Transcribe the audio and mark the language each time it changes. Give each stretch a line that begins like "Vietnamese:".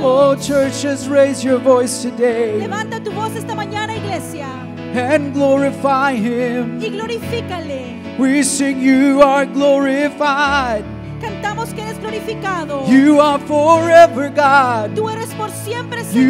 English: Oh, churches, raise your voice today.
Spanish: Levanta tu voz esta mañana, iglesia.
English: And glorify Him.
Spanish: Y glorifícale.
English: We sing, You are glorified.
Spanish: Cantamos que eres glorificado.
English: You are forever God.
Spanish: Tú eres por siempre, Señor.